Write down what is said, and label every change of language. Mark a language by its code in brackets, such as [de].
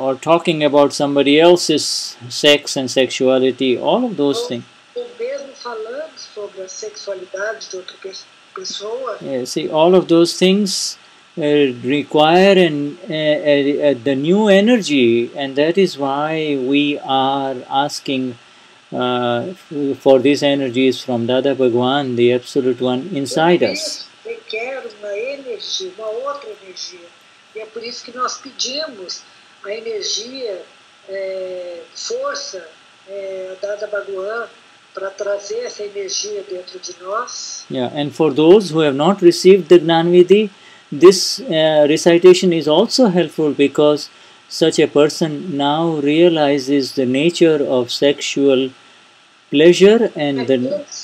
[en] Or talking about somebody else's sex and sexuality, all of those things. [pt] Ou mesmo falando sobre a sexualidade de outra pessoa. [en] Yeah, see, all of those things require the new energy, and that is why we are asking for these energies from Dada Bhagwan, the Absolute One, inside us. [pt] Requer uma outra energia. E é por isso que nós pedimos a energia, força, Dada Bhagwan, para trazer essa energia dentro de nós. [en] Yeah, and for those who have not received the Gnanvidhi, this recitation is also helpful because such a person now realizes the nature of sexual pleasure and the...